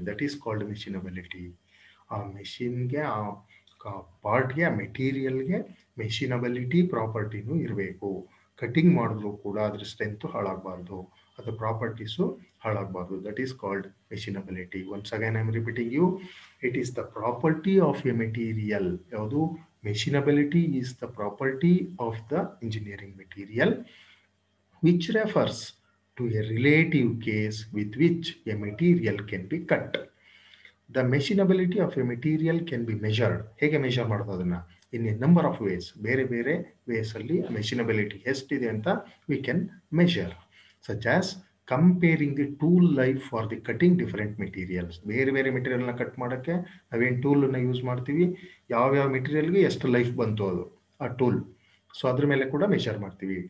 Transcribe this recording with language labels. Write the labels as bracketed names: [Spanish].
[English] That is called machinability. [Kannada] ಆ ಮೆಷಿನ್ಗೆ, ಆ ಪಾರ್ಟ್ಗೆ, ಆ ಮೆಟೀರಿಯಲ್ಗೆ ಮೆಷಿನಬಿಲಿಟಿ ಪ್ರಾಪರ್ಟಿನೂ ಇರಬೇಕು. ಕಟ್ಟಿಂಗ್ ಮಾಡಿದ್ರು ಕೂಡ ಅದ್ರ ಸ್ಟ್ರೆಂತು ಹಾಳಾಗಬಾರ್ದು, ಅದರ properties ಹಾಳಾಗಬಾರ್ದು. [English] That is called machinability. Once again I am repeating you, it is the property of a material. [Kannada] ಯಾವುದು? [English] Machinability is the property of the engineering material, which refers to a relative case with which a material can be cut. The machinability of a material can be measured. [Kannada] ಹೇಗೆ measure ಮಾಡೋದು ಅದನ್ನ? [English] in a number of ways, [Kannada] ಬೇರೆ ಬೇರೆ ways ಅಲ್ಲಿ ಮೆಷಿನಬಿಲಿಟಿ ಎಷ್ಟಿದೆ ಅಂತ [English] We can measure. Such as comparing the tool life for the cutting different materials. [Kannada] ಬೇರೆ ಬೇರೆ ಮೆಟೀರಿಯಲ್ನ ಕಟ್ ಮಾಡೋಕ್ಕೆ ನಾವೇನು ಟೂಲನ್ನು ಯೂಸ್ ಮಾಡ್ತೀವಿ, ಯಾವ್ಯಾವ ಮೆಟೀರಿಯಲ್ಗೆ ಎಷ್ಟು ಲೈಫ್ ಬಂತು ಅದು ಆ ಟೂಲ್, ಸೊ ಅದ್ರ ಮೇಲೆ ಕೂಡ ಮೆಷರ್ ಮಾಡ್ತೀವಿ.